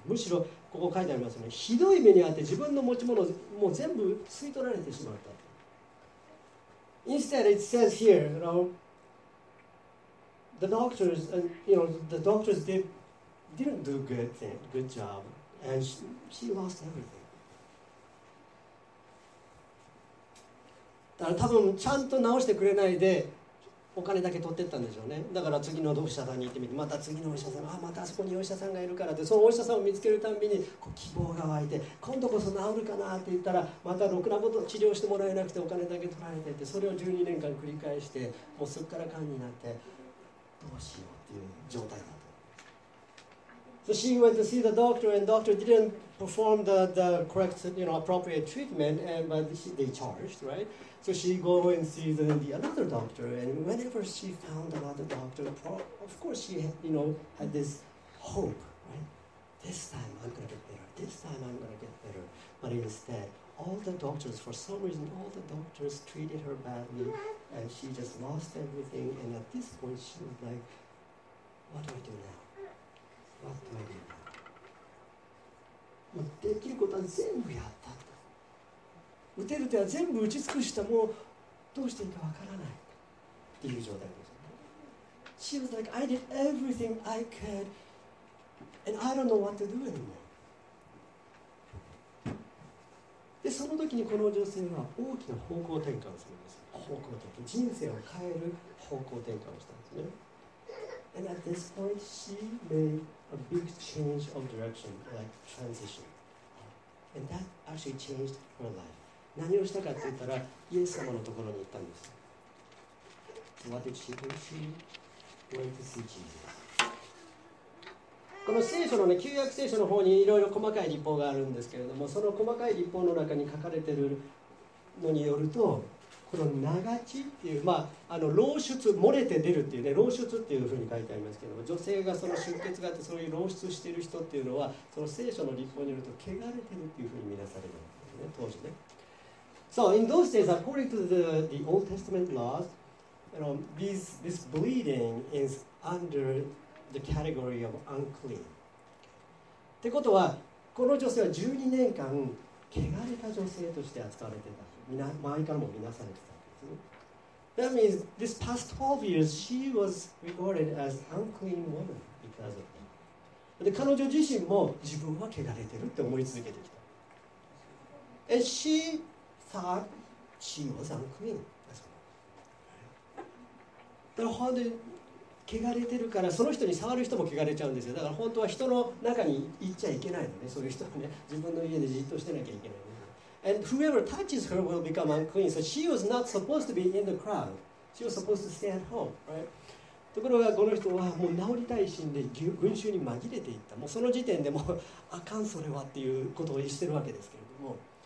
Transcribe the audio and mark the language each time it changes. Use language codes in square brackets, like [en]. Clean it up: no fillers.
[ja] むしろここ書いてありますよね。ひどい目にあって自分の持ち物をもう全部吸い取られてしまった。 [en] Instead, it says here, you know, the doctors didn't do good job, and she lost everything. [ja] だから多分ちゃんと直してくれないで、お金だけ取ってったんでしょうね。だから次のお医者さんに行ってみて、また次のお医者さん、あ、またあそこにお医者さんがいるからって、そのお医者さんを見つけるたびにこう希望が湧いて、今度こそ治るかなって言ったら、またろくなこと治療してもらえなくてお金だけ取られてって、それを12年間繰り返して、もうすっからかんになって、どうしようっていう状態だと。 [en] So she went to see the doctor, and doctor didn't perform the correct, you know, appropriate treatment, and but they charged, right? So she go and see the another doctor, and whenever she found another doctor, of course she had, you know, had this hope, right? This time I'm gonna get better. This time I'm gonna get better. But instead, all the doctors, for some reason, all the doctors treated her badly, and she just lost everything. And at this point, she was like, "What do I do now? What do I do now?" [ja] できることは全部やった。打てる手は全部打ち尽くした、もうどうしていいかわからないっていう状態です。 [en] She was like, I did everything I could, and I don't know what to do anymore. [ja] で、その時にこの女性は大きな方向転換をするんです。方向転換、人生を変える方向転換をしたんですね。 [en] And at this point, she made a big change of direction, like transition. And that actually changed her life. [ja] 何をしたかって言ったら、イエス様のところに行ったんです。 [en] What did she do? She went to see Jesus. [ja] この聖書のね、旧約聖書の方にいろいろ細かい律法があるんですけれども、その細かい律法の中に書かれているのによると、この流ちっていう、まあ、あの漏出、漏れて出るっていうね、漏出っていうふうに書いてありますけれども、女性がその出血があって、そういう漏出している人っていうのは、その聖書の律法によると、汚れてるっていうふうに見なされるんですね、当時ね。 [en] So in those days, according to the Old Testament laws, you know, this bleeding is under the category of unclean. [ja] ってことは、この女性は12年間、汚れた女性として扱われてた。周りからも見なされてたんです。 [en] That means this past 12 years, she was regarded as unclean woman because of that. [ja] で、彼女自身も自分は汚れてるって思い続けてきた。 [en] And she... thought she was unclean. That's right. [ja] だから本当に汚れてるから、その人に触る人も汚れちゃうんですよ。だから本当は人の中に行っちゃいけないのね。そういう人はね、自分の家でじっとしてなきゃいけないの、ね。 [en] And whoever touches her will become unclean. So she was not supposed to be in the crowd. She was supposed to stay at home, right? [ja] ところがこの人はもう治りたい心で群衆に紛れていった。もうその時点でもうあかんそれはっていうことを言ってるわけですけれども。